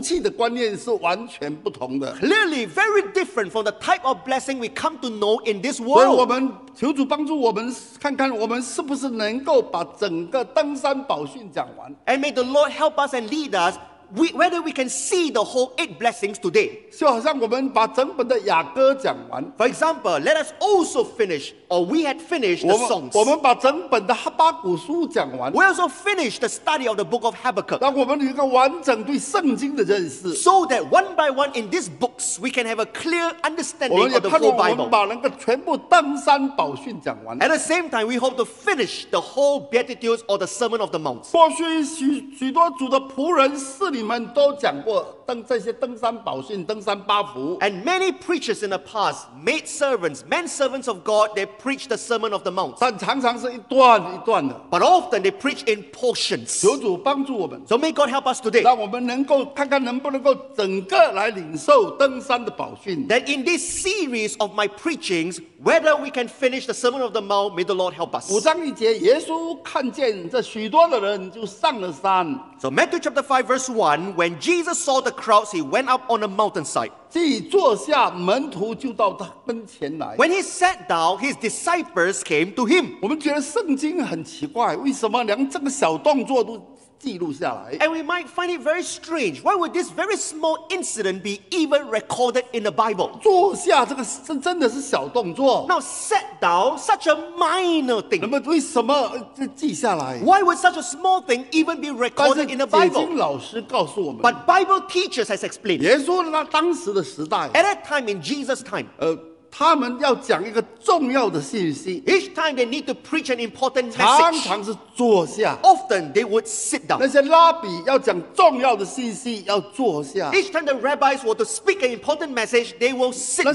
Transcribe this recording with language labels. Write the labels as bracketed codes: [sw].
[zh] 显然跟我们的福气的观念是完全不同的。 [en] Clearly, very different from the type of blessing we come to know in this world. [zh] 所以我们求主帮助我们看看我们是不是能够把整个登山宝训讲完。 [en] And may the Lord help us and lead us. Whether we can see the whole eight blessings today. [zh] 就好像我们把整本的雅歌讲完。 [en] For example, let us also finish, or we had finished the songs. [zh] 我们把整本的哈巴谷书讲完。 [en] We also finished the study of the book of Habakkuk. [zh] 让我们有一个完整对圣经的认识。 [en] So that one by one in these books, we can have a clear understanding of the whole Bible. [zh] 我们把那个全部登山宝训讲完。 [en] At the same time, we hope to finish the whole Beatitudes or the Sermon of the Mount. [zh] 过去许多主的仆人 是你们都讲过这些登山宝训、登山八福。 [en] And many preachers in the past, maid servants, men servants of God, they preach the Sermon of the Mount. [zh] 但常常是一段一段的。 [en] But often they preach in portions. [zh] 求主帮助我们。 [en] So may God help us today. [zh] 让我们能够看看能不能够整个来领受登山的宝训。 [en] That in this series of my preachings, whether we can finish the Sermon of the Mount, may the Lord help us. [zh] 五章一节, 耶稣看见这许多的人就上了山。 [en] So Matthew chapter 5 verse 1, when Jesus saw the crowds, he went up on a mountainside. [zh] 既坐下,门徒就到他跟前来。 [en] When he sat down, his disciples came to him. [zh] 我们觉得圣经很奇怪, 为什么连这个小动作都记录下来? [en] And we might find it very strange. Why would this very small incident be even recorded in the Bible? [zh] 坐下,这个真的是小动作。 [en] Now sat down, such a minor thing. [zh] 那么为什么记下来? [en] Why would such a small thing even be recorded in the Bible? [zh] 但是解经老师告诉我们, [en] but Bible teachers has explained. [zh] 耶稣当时的时代, [en] at that time in Jesus' time, Each time they need to preach an important message, [zh] 常常是坐下, [en] often they would sit down. [zh] 那些拉比要讲重要的信息, [en] Each time the rabbis were to speak an important message, they will sit down.